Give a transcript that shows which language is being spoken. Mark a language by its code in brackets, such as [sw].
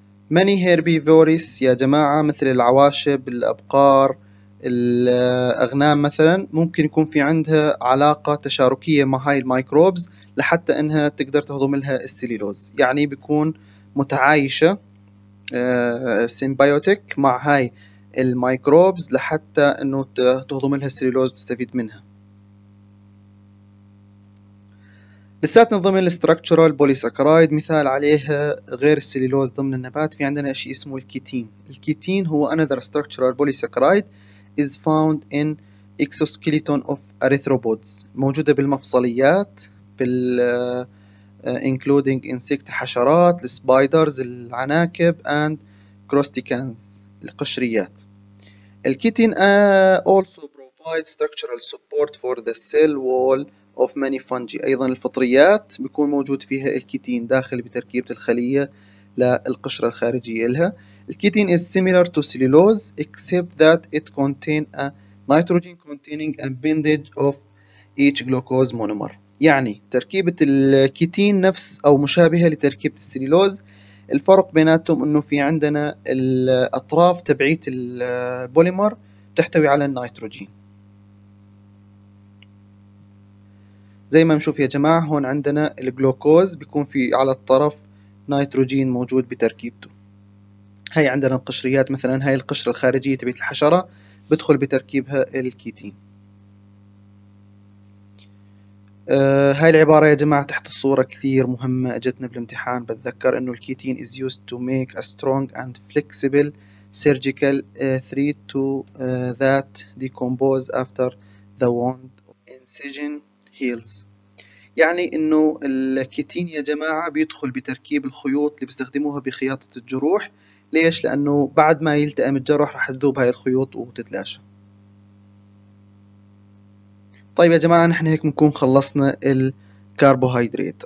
[en] Many herbivores [ar] يا جماعة مثل العواشب، الأبقار، الأغنام مثلا ممكن يكون في عندها علاقة تشاركية مع هاي الميكروبز لحتى أنها تقدر تهضم لها السليلوز، يعني بيكون متعايشة سيمبيوتيك مع هاي الميكروبز لحتى أنه تهضم لها السليلوز وتستفيد منها. لساتنا ضمن الستركتشرال بوليساكرايد، مثال عليها غير السليلوز ضمن النبات في عندنا شيء اسمه الكيتين. الكيتين هو [en] another structural polysaccharide is found in exoskeleton of arthropods، [ar] موجودة بالمفصليات بال [en] including insect [ar] الحشرات، السبايدرز العناكب [en] and crusticans [ar] القشريات. الكيتين [en] also provides structural support for the cell wall of many fungi، [ar] أيضا الفطريات بيكون موجود فيها الكيتين داخل بتركيبة الخلية للقشرة الخارجية لها. [en] الكيتين is similar to cellulose except that it contain a nitrogen containing appendage of each glucose monomer، [ar] يعني تركيبة الكيتين نفس أو مشابهة لتركيبة السليلوز، الفرق بيناتهم انه في عندنا الاطراف تبعية البوليمر تحتوي على النيتروجين. زي ما نشوف يا جماعة، هون عندنا الجلوكوز بيكون في على الطرف نيتروجين موجود بتركيبته. هاي عندنا القشريات، مثلا هاي القشرة الخارجية تبعت الحشرة بدخل بتركيبها الكيتين. هاي العبارة يا جماعة تحت الصورة كثير مهمة، اجتنا بالامتحان. بتذكر انه الكيتين [en] is used to make a strong and flexible surgical thread to that decompose after the wound incision heals. [ar] يعني انه الكيتين يا جماعة بيدخل بتركيب الخيوط اللي بيستخدموها بخياطة الجروح. ليش؟ لانه بعد ما يلتئم الجرح راح تذوب هاي الخيوط وتتلاشى. طيب يا جماعة، نحن هيك بنكون خلصنا الكربوهيدرات.